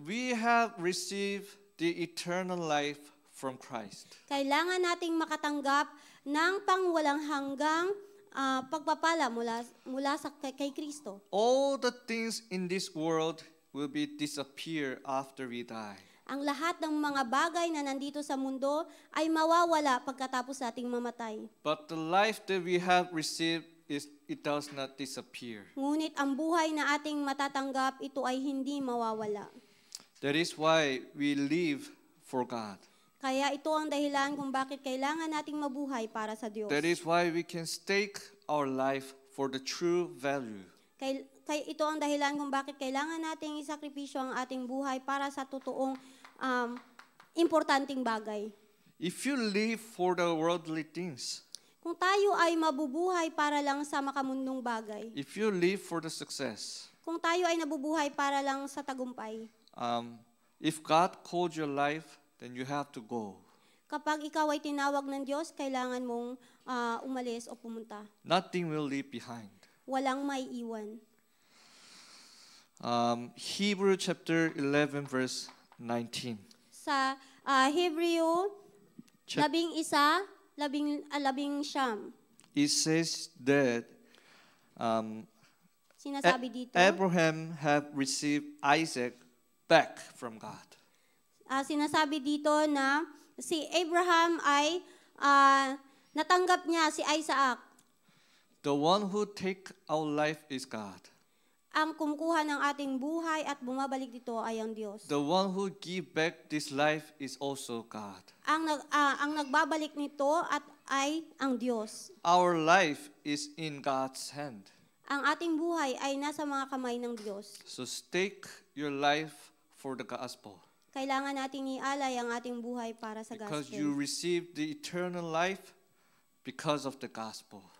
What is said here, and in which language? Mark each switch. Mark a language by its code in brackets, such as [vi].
[en] We have received the eternal life from Christ. [tl] Kailangan nating makatanggap ng pangwalang hanggang pagpapala mula sa kay Kristo. [en] All the things in this world will be disappear after we die. [tl] Ang lahat ng mga bagay na nandito sa mundo ay mawawala pagkatapos nating mamatay. [en] But the life that we have received is it does not disappear. [tl] Ngunit ang buhay na ating matatanggap, ito ay hindi mawawala. [en] That is why we live for God. [tl] Kaya ito ang dahilan kung bakit kailangan nating mabuhay para sa Diyos. [en] That is why we can stake our life for the true value. [tl] Kaya ito ang dahilan kung bakit kailangan nating isakripisyo ang ating buhay para sa totoong importanteng bagay. [en] If you live for the worldly things, [tl] kung tayo ay mabubuhay para lang sa makamundong bagay, [en] if you live for the success, [tl] kung tayo ay nabubuhay para lang sa tagumpay, [en] if God called your life, then you have to go. [tl] Kapag ikaw ay tinawag ng Diyos, kailangan mong umalis o pumunta. [en] Nothing will leave behind. [tl] Walang may iwan. [en] Hebrew chapter 11 verse 19. [tl] Sa Hebrew 11:19. [en] It says that [tl] sinasabi dito, [en] Abraham have received Isaac back from God. [tl] Sinasabi dito na si Abraham ay natanggap niya si Isaac. [en] The one who take our life is God. [tl] Ang kumukuha ng ating buhay at bumabalik dito ay ang Diyos. [en] The one who give back this life is also God. [tl] Ang nagbabalik nito at ay ang Diyos. [en] Our life is in God's hand. [tl] Ang ating buhay ay nasa mga kamay ng Diyos. [en] So stake your life for the gospel. [tl] Kailangan nating ialay ang ating buhay para sa gospel. [en] Because you received the eternal life because of the gospel.